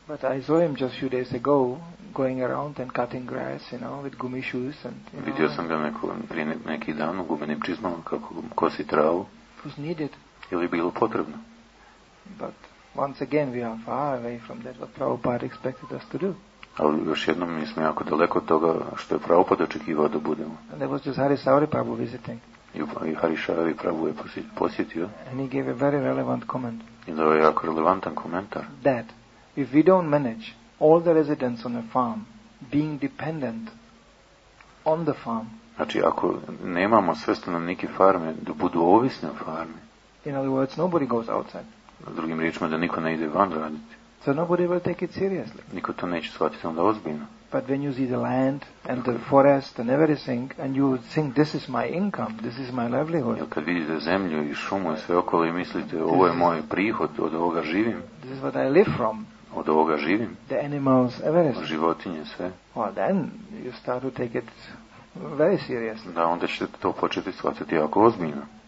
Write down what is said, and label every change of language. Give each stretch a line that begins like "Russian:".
English: But I saw him just a few days ago going around and cutting grass, you know, with gumi shoes and you
Croatian: vidio
English: know,
Croatian: sam ga neki dan u gumenim čizmama kako kosi travu.
English: It was needed.
Croatian: Ili bilo potrebno.
English: But once again we are far away from that what Prabhupada expected us to do.
Croatian: Ali još jednom mi smo jako daleko od toga što je Prabhupada očekivao da budemo.
English: And it was just Hari Sauri Prabhu visiting.
Croatian: I Harishavi Prabhu je posjetio.
English: And he gave a very relevant comment.
Croatian: I dao je jako relevantan komentar.
English: That if we don't manage all the residents on a farm being dependent on the farm.
Croatian: Znači ako nemamo sve stanovnike farme da budu ovisni o farmi.
English: In other words, nobody goes outside.
Croatian: Drugim riječima da niko ne ide van raditi.
English: So nobody will take it seriously.
Croatian: Niko to neće shvatiti onda ozbiljno.
English: But when you see the land and the forest and everything, and you think this is my income, this is my livelihood.
Croatian: Kad vidite zemlju i šumu i sve okolo i mislite ovo je moj prihod, od ovoga živim.
English: This is what I live from.
Croatian: Od ovoga živim.
English: The animals, everything.
Croatian: Životinje, sve.
English: Well, then you start to take it very seriously.
Croatian: Da, onda ćete to početi shvatiti jako ozbiljno.